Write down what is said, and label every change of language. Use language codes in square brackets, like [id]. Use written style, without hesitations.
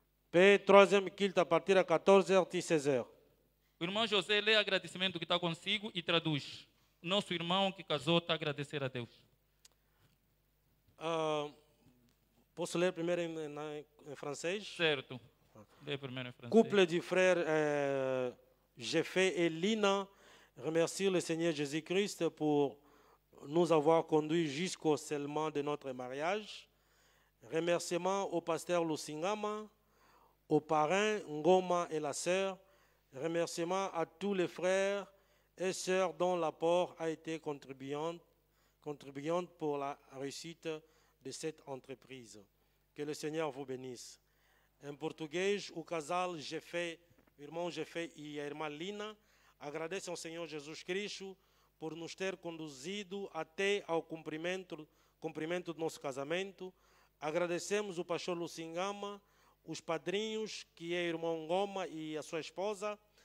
[pt] Pé, troisième quilo, a partir das 14h16h. O irmão José lê o agradecimento que está consigo e traduz. Nosso irmão que casou está a agradecer a Deus. Posso ler primeiro em francês? Certo. Lê primeiro em francês. [fr] Couple de frères Jeffé et Lina, remercie le Seigneur Jésus-Christ pour nous avoir conduits jusqu'au scellement de notre mariage. Remerciements au pasteur Lusingama, aux parrains Ngoma et la sœur. Remerciements à tous les frères et sœurs dont l'apport a été contribuant pour la réussite de cette entreprise. Que le Seigneur vous bénisse. [pt] Em português, o casal Jeffé, irmão Jeffé e a irmã Lina, agradecem ao Senhor Jesus Cristo por nos ter conduzido até ao cumprimento do nosso casamento. Agradecemos o pastor Lusingama, os padrinhos, que é o irmão Goma e a sua esposa.